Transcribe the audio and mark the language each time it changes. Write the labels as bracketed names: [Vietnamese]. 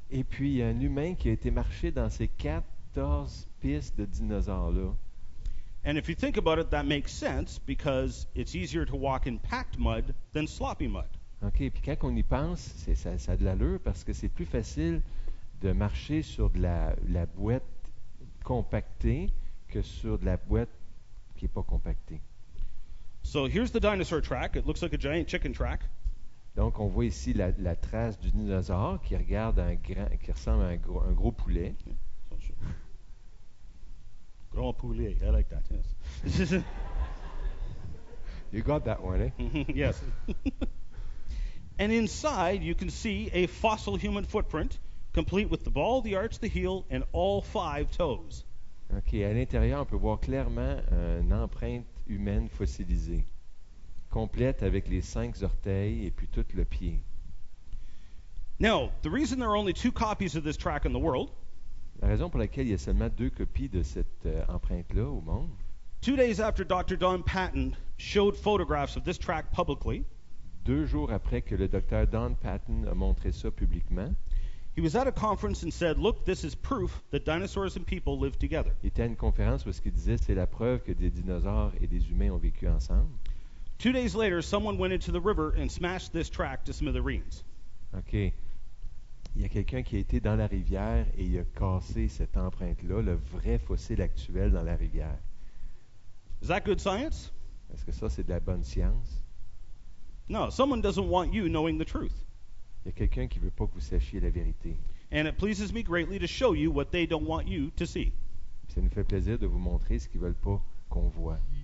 [French] Et puis, un humain qui a été marché dans ces 14 pistes de dinosaures-là. [English] And if you think about it, that makes sense because it's easier to walk in packed mud than sloppy mud. [French] OK, puis quand on y pense, ça a de l'allure parce que c'est plus facile de marcher sur de la boîte compactée que sur de la boîte qui n'est pas compactée. [English] So here's the dinosaur track. It looks like a giant chicken track. [French] Donc on voit ici la trace du dinosaure qui regarde qui ressemble à un gros poulet. [English] Yeah, [French] grand poulet. [English] I like that. Yes. You got that one, eh? Yes. And inside you can see a fossil human footprint complete with the ball, the arch, the heel and all 5 toes. [French] OK, à l'intérieur, on peut voir clairement une empreinte humaine fossilisée, complète avec les 5 orteils et puis tout le pied. [English] Now, the reason there are only 2 copies of this track in the world, [French] la raison pour laquelle il y a seulement 2 copies de cette empreinte-là au monde, [English] 2 days after Dr. Don Patton showed photographs of this track publicly, [French] 2 jours après que le Dr. Don Patton a montré ça publiquement, [English] he was at a conference and said, "Look, this is proof that dinosaurs and people live together." [French] Il était à une conférence où ce qu'il disait, c'est la preuve que des dinosaures et des humains ont vécu ensemble. [English] 2 days later, someone went into the river and smashed this track to smithereens. OK. [French] Il y a quelqu'un qui a été dans la rivière et il a cassé cette empreinte-là, le vrai fossile actuel dans la rivière. [English] Is that good science? [French] Est-ce que ça, c'est de la bonne science? [English] No, someone doesn't want you knowing the truth. [French] Il y a quelqu'un qui veut pas que vous sachiez la vérité. [English] And it pleases me greatly to show you what they don't want you to see. [French] Ça nous fait plaisir de vous montrer ce qu'ils veulent pas qu'on voit.